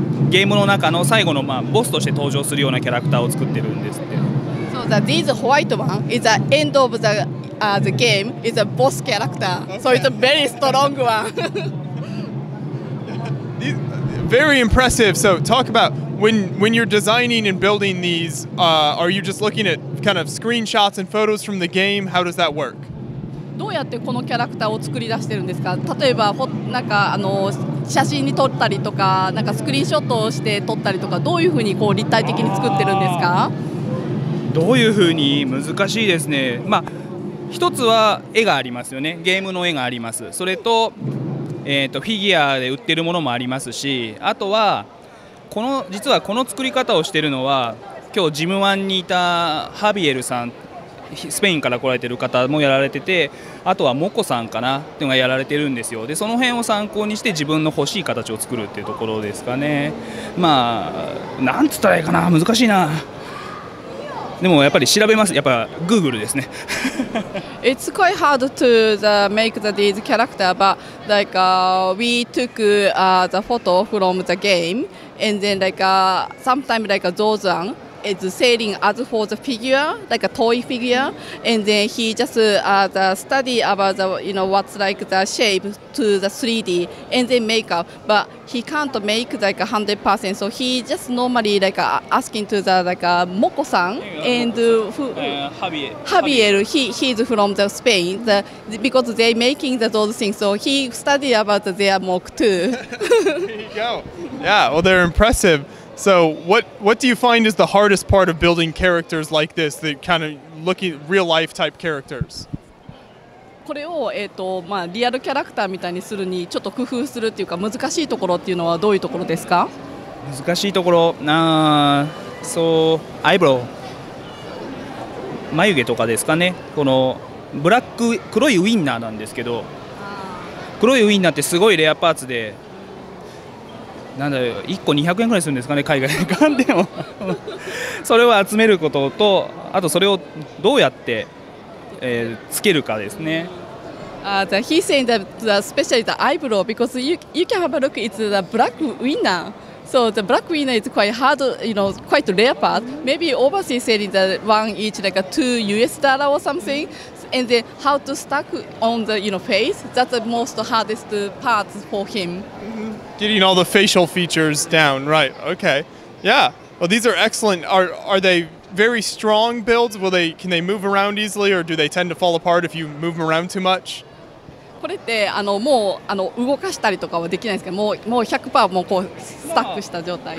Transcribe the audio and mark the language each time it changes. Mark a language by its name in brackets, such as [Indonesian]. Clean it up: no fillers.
[Japanese] ゲームの中の最後のまあボスとして登場するようなキャラクターを作ってるんですって。 [English] So that these white one is the end of the game is a boss character. So it's a very strong one. Very impressive. So talk about when you're designing and building these, are you just looking at kind of screenshots and photos from the game? How does that work? [Japanese] どうやってこのキャラクターを作り出してるんですか？例えばなんか写真に撮ったりとか、なんかスクリーンショットをして撮ったりとか、どういうふうにこう立体的に作ってるんですか？どういうふうに難しいですね。まあ一つは絵がありますよね。ゲームの絵があります。それとフィギュアで売ってるものもありますし、あとはこの実はこの作り方をしているのは今日ジムワンにいたハビエルさん、スペインから来られてる方もやられてて、あとはモコさんかなっていうのがやられてるんですよ。でその辺を参考にして自分の欲しい形を作るっていうところですかね。まあなんつったらいいかな、難しいな。でもやっぱり調べます、やっぱ Google ですね。 [English] It's quite hard to make these characters, but like we took the photo from the game, and then like sometimes like Zozan is sailing as for the figure, like a toy figure, and then he just study about the you know what's like the shape to the 3D and then make up, but he can't make like 100%, so he just normally like asking to the like Moko-san and Javier, he's from the Spain, because they making those things, so he study about their mock too. There you go. Yeah, well they're impressive. So what do you find is the hardest part of building characters like this, the kind of looking real life type characters? [Japanese] これを、まあ、リアルキャラクターみたいにするにちょっと工夫するっていうか難しいところっていうのはどういうところですか？難しいところ、そう、アイブロウ、眉毛とかですかね。このブラック、黒いウインナーなんですけど、黒いウインナーってすごいレアパーツで、なんだよ、1個200円くらいするんですかね、海外で買っても。それを集めることと、あとそれをどうやって、つけるかですね。 [English] He said that especially the eyebrow, because you can have a look, it's the black winner. So the black winner is quite hard, you know, quite rare part. Maybe overseas selling the one each like $2 or something. And then how to stack on the, you know, face, that's the most hardest part for him. Getting all the facial features down, right, okay. Yeah, well, these are excellent. Are they very strong builds? Can they move around easily, or do they tend to fall apart if you move them around too much? [Japanese] これってもう動かしたりとかはできないですけど、もう 100% もうこうスタックした状態。